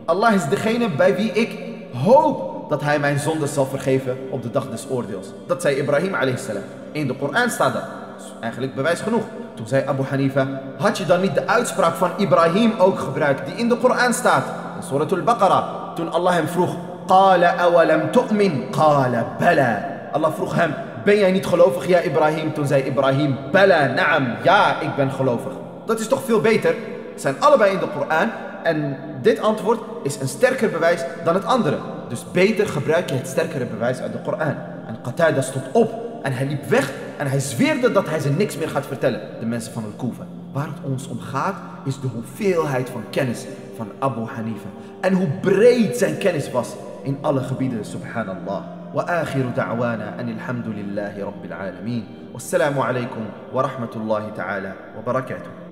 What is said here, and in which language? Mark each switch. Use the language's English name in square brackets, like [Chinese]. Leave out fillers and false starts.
[Dutch] Allah is degene bij wie ik hoop dat hij mijn zonden zal vergeven op de dag des oordeels. Dat zei Ibrahim alayhi salam. In de Koran staat dat. Dat is eigenlijk bewijs genoeg. Toen zei Abu Hanifa, had je dan niet de uitspraak van Ibrahim ook gebruikt die in de Koran staat? In surat al-Baqara. Toen Allah hem vroeg, [Arabic] قَالَ أَوَلَمْ تُؤْمِنْ قَالَ بَلَى. [Dutch] Allah vroeg hem, ben jij niet gelovig, ja Ibrahim? Toen zei Ibrahim, bella, naam, ja, ik ben gelovig. Dat is toch veel beter? Ze zijn allebei in de Koran en dit antwoord is een sterker bewijs dan het andere. Dus beter gebruik je het sterkere bewijs uit de Koran. En Qatada stond op en hij liep weg en hij zweerde dat hij ze niks meer gaat vertellen, de mensen van al-Kufa. Waar het ons om gaat is de hoeveelheid van kennis van Abu Hanifa en hoe breed zijn kennis was in alle gebieden, subhanallah. [Arabic] وآخر دعوانا أن الحمد لله رب العالمين والسلام عليكم ورحمة الله تعالى وبركاته.